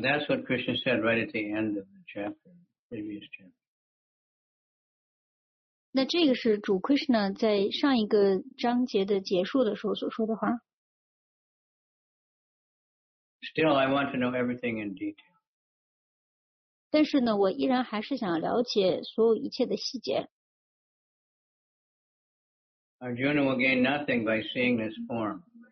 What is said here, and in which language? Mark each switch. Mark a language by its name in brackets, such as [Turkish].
[English] that's what Krishna said right at the end of the chapter, previous chapter. [Chinese] 那这个是主 Krishna 在上一个章节的结束的时候所说的话。 [English] Still, I want to know everything in detail. [Chinese] 但是呢, 我依然还是想了解所有一切的细节。 [English] Arjuna will gain nothing by seeing this form.